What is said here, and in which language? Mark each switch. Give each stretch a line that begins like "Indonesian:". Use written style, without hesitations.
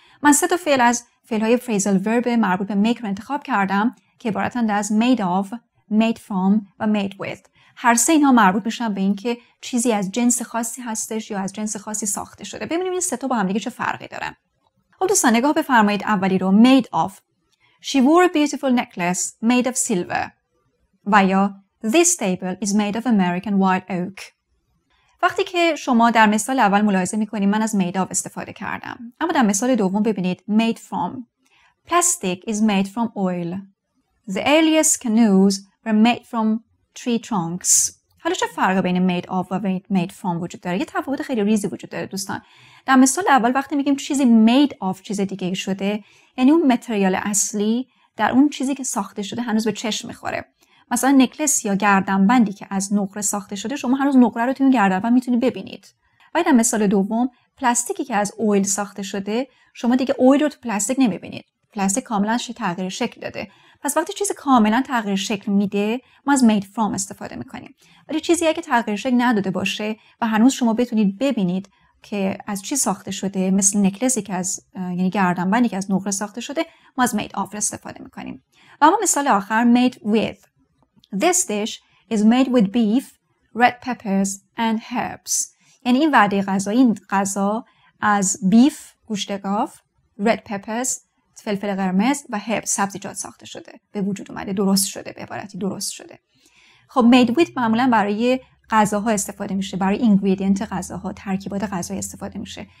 Persian: من سه تا فعل از فعل های phrasal verb مربوط به make رو انتخاب کردم که عبارتند از made of، made from و made with. هر سه اینها مربوط میشن به اینکه چیزی از جنس خاصی هستش یا از جنس خاصی ساخته شده. ببینیم این سه تا با هم دیگه چه فرقی دارن. خب دوستان نگاه بفرمایید اولی رو، made of.
English: She wore a beautiful necklace made of silver.
Persian: و یا
English: this table is made of American white oak.
Persian: وقتی که شما در مثال اول ملاحظه میکنید من از made of استفاده کردم. اما در مثال دوم ببینید made from.
English: Plastic is made from oil. The earliest canoes were made from tree trunks.
Persian: حالا چه فرقی بین made of و made from وجود داره؟ یه تفاوت خیلی ریزی وجود داره دوستان. در مثال اول وقتی میگیم چیزی made of چیز دیگه شده، یعنی اون متریال اصلی در اون چیزی که ساخته شده هنوز به چشم میخوره. مثلا نکلس یا گردنبندی که از نقره ساخته شده، شما هنوز نقره رو توی اون گردنبند میتونید ببینید. ولی در مثال دوم، پلاستیکی که از اویل ساخته شده، شما دیگه اویل رو تو پلاستیک نمیبینید. پلاستیک کاملا تغییر شکل داده. پس وقتی چیزی کاملا تغییر شکل میده ما از made from استفاده میکنیم. ولی چیزی اگه تغییر شکل نداده باشه و هنوز شما بتونید ببینید که از چی ساخته شده، مثل نکلسی که از یعنی گردنبندی که از نقره ساخته شده، ما از made of استفاده میکنیم. و اما مثال آخر، made with.
English: This dish is made with beef, red peppers and herbs.
Persian: یعنی این وعده غذا، این غذا از بیف، گوشت گاو،
English: red peppers،
Persian: فلفل قرمز و هب سبزیجات ساخته شده، به وجود اومده، درست شده، به عبارتی درست شده. خب made with معمولا برای غذاها استفاده میشه، برای اینگریدینت غذاها، ترکیبات غذا استفاده میشه.